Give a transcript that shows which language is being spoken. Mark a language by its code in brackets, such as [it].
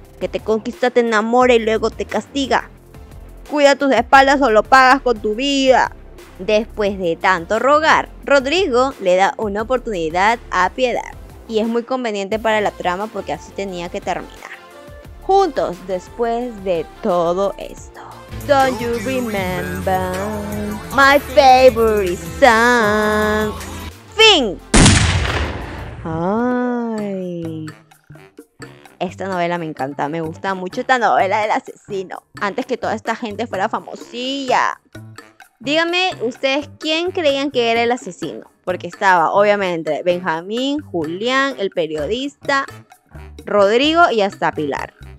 [es] Que te conquista, te enamora y luego te castiga. Cuida tus espaldas o lo pagas con tu vida. Después de tanto rogar, Rodrigo le da una oportunidad a Piedad. Y es muy conveniente para la trama porque así tenía que terminar. Juntos después de todo esto. [en] Don't you remember my favorite song? [es] ¡Fin! Ay, esta novela me encanta, me gusta mucho esta novela del asesino. Antes que toda esta gente fuera famosilla. Díganme ustedes quién creían que era el asesino. Porque estaba obviamente Benjamín, Julián, el periodista, Rodrigo y hasta Pilar.